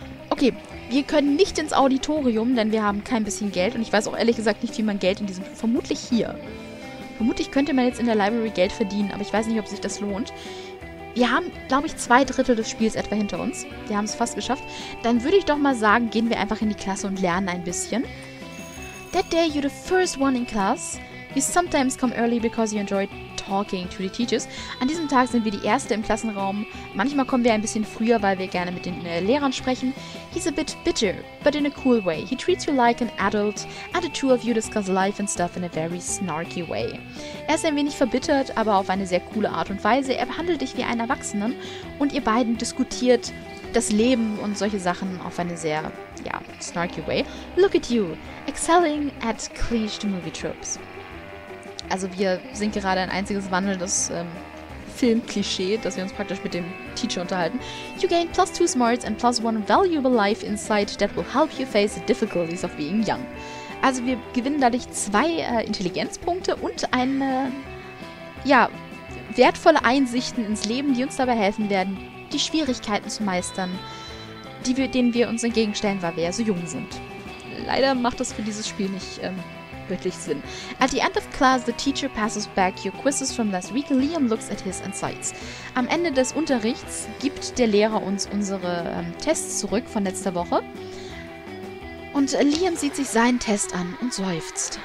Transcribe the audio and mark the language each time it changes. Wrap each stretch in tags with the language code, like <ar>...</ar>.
<de>Okay, wir können nicht ins Auditorium, denn wir haben kein bisschen Geld und ich weiß auch ehrlich gesagt nicht, wie man Geld in diesem... Vermutlich hier. Vermutlich könnte man jetzt in der Library Geld verdienen, aber ich weiß nicht, ob sich das lohnt. Wir haben, glaube ich, 2/3 des Spiels etwa hinter uns. Wir haben es fast geschafft. Dann würde ich doch mal sagen, gehen wir einfach in die Klasse und lernen ein bisschen.</de> <en>That day you're the first one in class. You sometimes come early because you enjoy talking to the teachers.</en> <de>An diesem Tag sind wir die Erste im Klassenraum. Manchmal kommen wir ein bisschen früher, weil wir gerne mit den Lehrern sprechen.</de> <en>He's a bit bitter, but in a cool way. He treats you like an adult and the two of you discuss life and stuff in a very snarky way.</en> <de>Er ist ein wenig verbittert, aber auf eine sehr coole Art und Weise. Er behandelt dich wie einen Erwachsenen und ihr beiden diskutiert das Leben und solche Sachen auf eine sehr, ja,</de> <en>snarky way. Look at you, excelling at cliched movie tropes.</en> <de>Also wir sind gerade ein einziges wandelndes Filmklischee, dass wir uns praktisch mit dem Teacher unterhalten.</de> <en>You gain +2 smarts and +1 valuable life insight that will help you face the difficulties of being young.</en> <de>Also wir gewinnen dadurch 2 Intelligenzpunkte und eine, ja, wertvolle Einsichten ins Leben, die uns dabei helfen werden, die Schwierigkeiten zu meistern, denen wir uns entgegenstellen, weil wir ja so jung sind. Leider macht das für dieses Spiel nicht wirklich Sinn.</de> <en>At the end of class, the teacher passes back your quizzes from last week. Liam looks at his insights.</en> <de>Am Ende des Unterrichts gibt der Lehrer uns unsere Tests zurück von letzter Woche. Und Liam sieht sich seinen Test an und seufzt.</de>